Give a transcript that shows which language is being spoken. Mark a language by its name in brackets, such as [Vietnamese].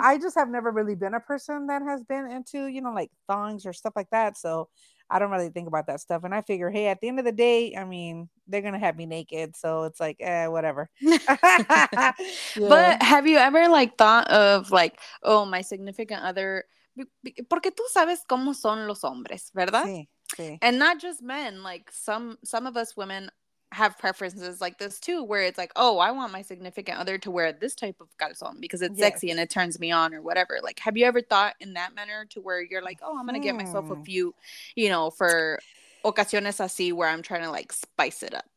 [English] I just have never really been a person that has been into, you know, like thongs or stuff like that. So I don't really think about that stuff. And I figure, hey, at the end of the day, I mean, they're going to have me naked. So it's like, whatever. Yeah. But have you ever, like, thought of, like, oh, my significant other? [Spanish] Porque tú sabes cómo son los hombres, ¿verdad? Sí, sí. [English] And not just men. Like, some of us women have preferences like this, too, where it's like, oh, I want my significant other to wear this type of calzón because it's sexy and it turns me on or whatever. Like, have you ever thought in that manner to where you're like, oh, I'm going to get myself a few, you know, for ocasiones así where I'm trying to, like, spice it up?